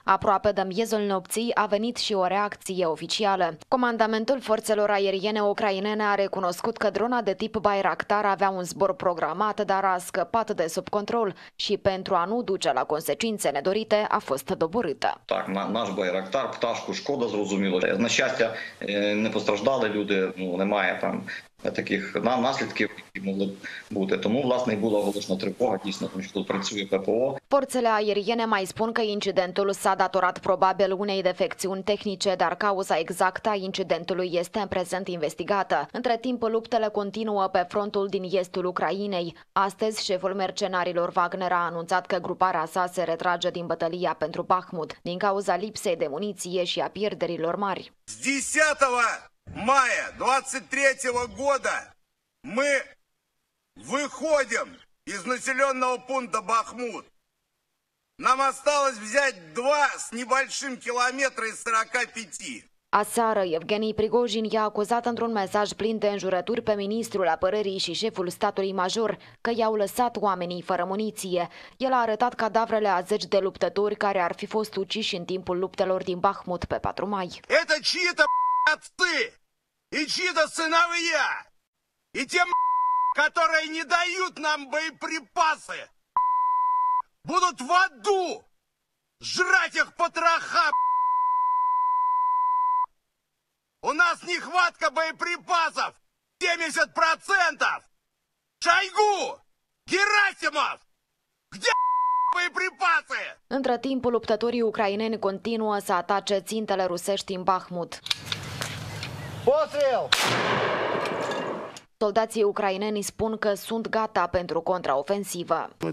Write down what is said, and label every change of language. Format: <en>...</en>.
<ro>Aproape de miezul nopții a venit și o reacție oficială. Comandamentul Forțelor Aeriene Ucrainene a recunoscut că drona de tip Bayraktar avea un zbor programat, dar a scăpat de sub control și, pentru a nu duce la consecințe nedorite, a fost doborâtă.</ro> <uk>Так, наш Bayraktar, пташку Шкода, зрозуміло. На щастя, не постраждали люди, ну, немає там таких наслідків, які могли бути. Тому, власне, була оголошена тривога, дійсно, тому що тут працює ППО.</uk> <ro>Forțele aeriene mai spun că incidentul s-a datorat probabil unei defecțiuni tehnice, dar cauza exactă a incidentului este în prezent investigată. Între timp, luptele continuă pe frontul din estul Ucrainei. Astăzi, șeful mercenarilor Wagner a anunțat că gruparea sa se retrage din bătălia pentru Bahmut, din cauza lipsei de muniție și a pierderilor mari.</ro> <ru>10 мая 23-го года мы выходим из населенного пункта Бахмут. Нам осталось взять 2 с небольшим километра из 45.</ru> <ro>Aseară, Evgenii Prigojin i-a acuzat într-un mesaj plin de înjurături pe ministrul apărării și șeful statului major că i-au lăsat oamenii fără muniție. El a arătat cadavrele a zeci de luptători care ar fi fost uciși în timpul luptelor din Bahmut pe 4 mai.</ro> <ru>Это чьи-то отцы и чьи-то сыновья и те, которые не дают нам боеприпасы, будут в аду жрать их потроха. У нас нехватка боеприпасов 70%. Шойгу, Герасимов, где боеприпасы?</ru> <ro>Între timp, luptătorii ucraineni continuă să atace țintele rusești în Bahmut. Postrel! Soldații ucraineni spun că sunt gata pentru contraofensivă.</ro>